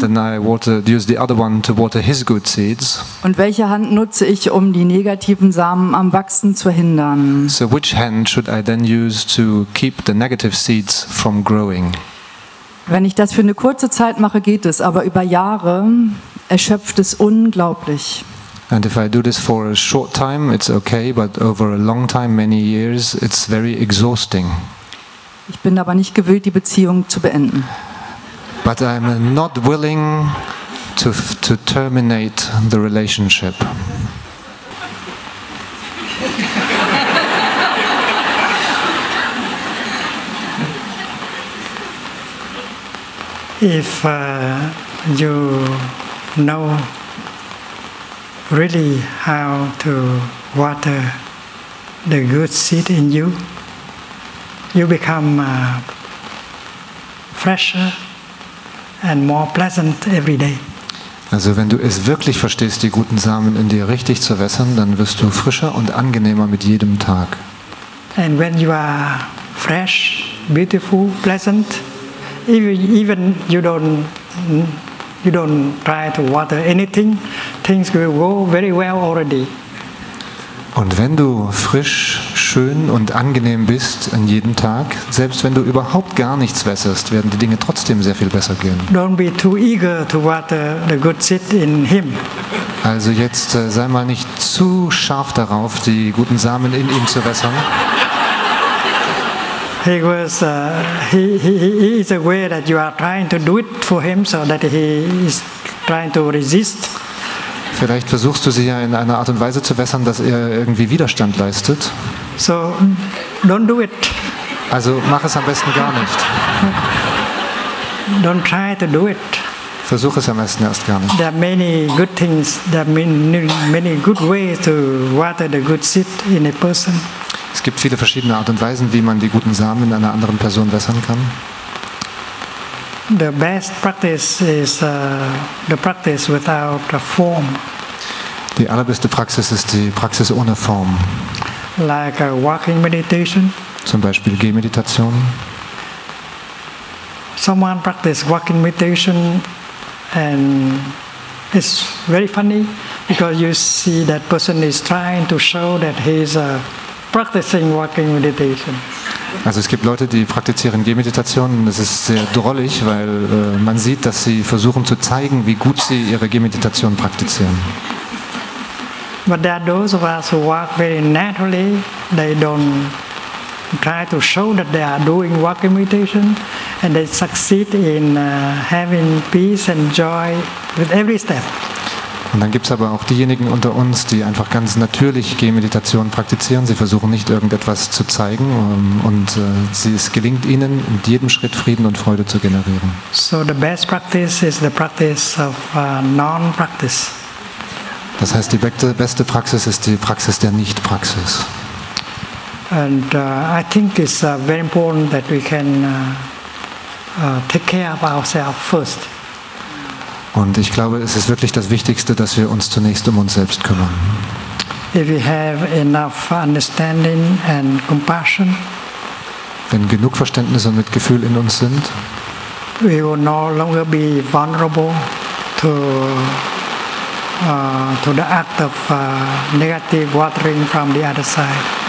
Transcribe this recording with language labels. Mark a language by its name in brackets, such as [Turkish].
[English] And then I use the other one to water his good seeds. [German] Und welche Hand nutze ich, um die negativen Samen am Wachsen zu hindern? [English] So which hand should I then use to keep the negative seeds from growing? [German] Wenn ich das für eine kurze Zeit mache, geht es, aber über Jahre erschöpft es unglaublich. [English] And if I do this for a short time, it's okay, but over a long time, many years, it's very exhausting. [German] Ich bin aber nicht gewillt, die Beziehung zu beenden. [English] But I'm not willing to terminate the relationship. If you know really how to water the good seed in you, you become fresher and more pleasant every day. [German] Also wenn du es wirklich verstehst, die guten Samen in dir richtig zu wässern, dann wirst du frischer und angenehmer mit jedem Tag. [English] And when you are fresh, beautiful, pleasant, even you don't try to water anything, things will go very well already. [German] Und wenn du frisch, schön und angenehm bist an jedem Tag, selbst wenn du überhaupt gar nichts wässerst, werden die Dinge trotzdem sehr viel besser gehen. [English] Don't be too eager to water the good seed in him. [German] Also jetzt sei mal nicht zu scharf darauf, die guten Samen in ihm zu wässern. [English] He is aware that you are trying to do it for him, so that he is trying to resist. [German] Vielleicht versuchst du sie ja in einer Art und Weise zu wässern, dass ihr irgendwie Widerstand leistet. [English] So, don't do it. [German] Also mach es am besten gar nicht. [English] Don't try to do it. [German] Versuch es am besten erst gar nicht. [English] There are many good things, there are many good ways to water the good seed in a person. [German] Es gibt viele verschiedene Art und Weisen, wie man die guten Samen in einer anderen Person wässern kann. [English] The best practice is the practice without a form. [German] Die allerbeste Praxis ist die Praxis ohne Form. [English] Like a walking meditation. [German] Zum Beispiel Gehmeditation. [English] Someone practices walking meditation, and it's very funny because you see that person is trying to show that he's practicing walking meditation. [German] Also es gibt Leute, die praktizieren Gehmeditation. Das ist sehr drollig, weil man sieht, dass sie versuchen zu zeigen, wie gut sie ihre Gehmeditation praktizieren. [English] But there are those of us who walk very naturally. They don't try to show that they are doing walking meditation, and they succeed in having peace and joy with every step. [German] Und dann gibt es aber auch diejenigen unter uns, die einfach ganz natürlich Gehmeditation praktizieren. Sie versuchen nicht irgendetwas zu zeigen es gelingt ihnen, in jedem Schritt Frieden und Freude zu generieren. [English] So the best practice is the practice of non-practice. [German] Das heißt, die beste Praxis ist die Praxis der Nicht-Praxis. [English] And I think it's very important that we can take care of ourselves first. [German] Und ich glaube, es ist wirklich das Wichtigste, dass wir uns zunächst um uns selbst kümmern. [English] If we have enough understanding and compassion, [German] wenn genug Verständnis und Mitgefühl in uns sind, [English] we will no longer be vulnerable to the act of negative watering from the other side.